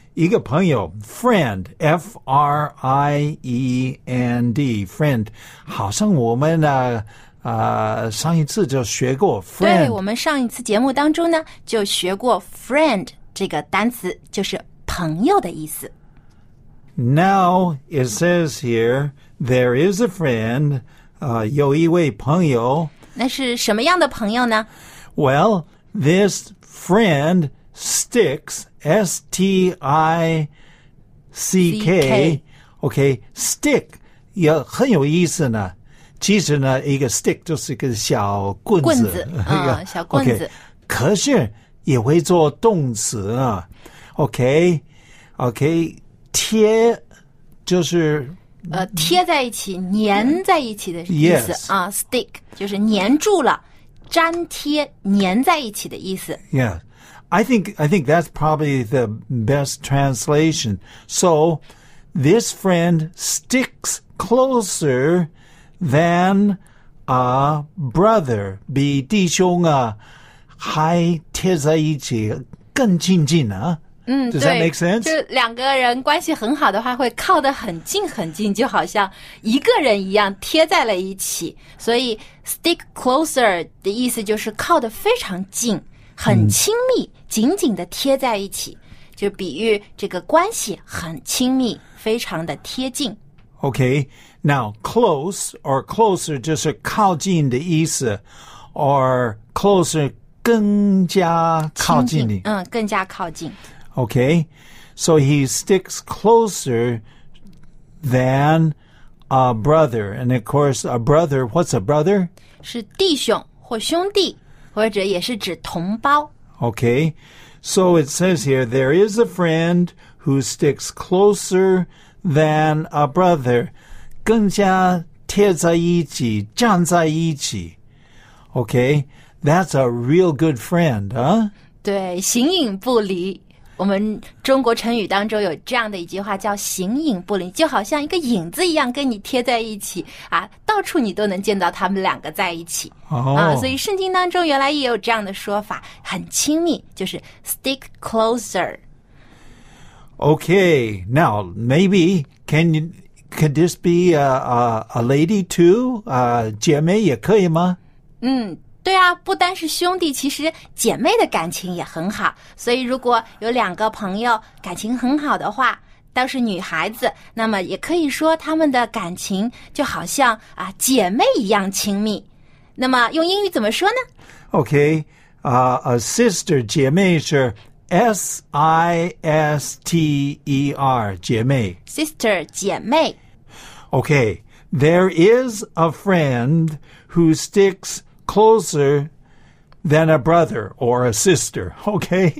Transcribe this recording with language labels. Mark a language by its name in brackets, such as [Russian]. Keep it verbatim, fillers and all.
[Chinese] 一个朋友 friend, F R I E N D, friend, 好像我们呢、呃、上一次就学过 friend。对，我们上一次节目当中呢就学过 friend 这个单词，就是朋友的意思。 [English] Now it says here, there is a friend, 呃、 [Chinese] 有一位朋友。那是什么样的朋友呢？ [English] Well, this friend sticks S T I C K, okay, stick [Chinese] 也很有意思呢。其实呢，一个 stick 就是一个小棍子，棍子啊、嗯，小棍子。 Okay, 可是也会做动词啊。 [English] OK，OK，、okay, okay, [Chinese] 贴就是呃贴在一起、粘在一起的意思、 [English] yes. 啊。 [Chinese] Stick 就是粘住了、粘贴、粘在一起的意思。 [English] Yeah. I think, I think that's probably the best translation. So, this friend sticks closer than a brother. [Chinese] 比弟兄啊还贴在一起更亲近啊。嗯， [English] Does that make sense? [Chinese] 就两个人关系很好的话会靠得很近很近，就好像一个人一样贴在了一起。所以 stick closer 的意思就是靠得非常近。很亲密，紧紧地贴在一起，就比喻这个关系很亲密，非常的贴近。 [English] Okay, now close or closer [Chinese] 就是靠近的意思 [English] or closer [Chinese] 更加靠近你。嗯，更加靠近。 [English] Okay, so he sticks closer than a brother. And of course, a brother, what's a brother? [Chinese] 是弟兄或兄弟。或者也是指同胞。 [English] Okay, so it says here, there is a friend who sticks closer than a brother. [Chinese] 更加贴在一起，站在一起。 [English] Okay, that's a real good friend, huh? [Chinese] 对，形影不离。我们中国成语当中有这样的一句话叫形影不离，就好像一个影子一样跟你贴在一起啊，到处你都能见到他们两个在一起、 oh. 啊，所以圣经当中原来也有这样的说法，很亲密，就是 stick closer. [English] Okay, now maybe can you, could this be a, a, a lady too? [Chinese] 啊，姐妹也可以吗？嗯。对啊，不单是兄弟，其实姐妹的感情也很好。所以如果有两个朋友感情很好的话，倒是女孩子，那么也可以说她们的感情就好像啊姐妹一样亲密。那么用英语怎么说呢？ [English] Okay, uh, a sister [Chinese] 姐妹是 [English] S I S T E R 姐妹。 Sister 姐妹。 Okay, there is a friend who sticks closer than a brother or a sister, okay?